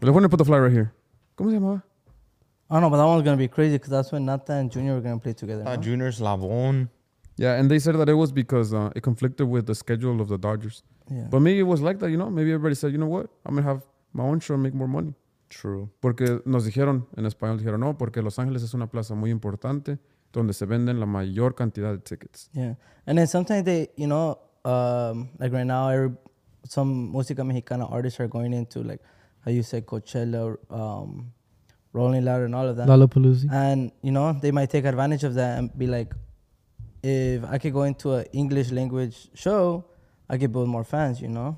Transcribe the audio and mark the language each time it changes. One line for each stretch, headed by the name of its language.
Spanish: Le voy a
English: put the flyer right here.
Spanish: ¿Cómo se llamaba?
English: I don't know, but that one's going to be crazy because that's when Nata and Junior were going to play together. No? Junior's Slavón. Yeah, and they said that it was because it conflicted with the schedule of the Dodgers. Yeah. But maybe it was like that, you know? Maybe everybody said, you know what? I'm going to have my own show and make more money. True.
Spanish: Porque nos dijeron, en español dijeron, no, porque Los Ángeles es una plaza muy importante donde se venden la mayor cantidad de tickets.
English: Yeah. And then sometimes they, you know, like right now, some Música Mexicana artists are going into, like, how you said, Coachella, Rolling Loud and all of that. Lollapalooza. And, you know, they might take advantage of that and be like, if I could go into an English language show, I could build more fans, you know?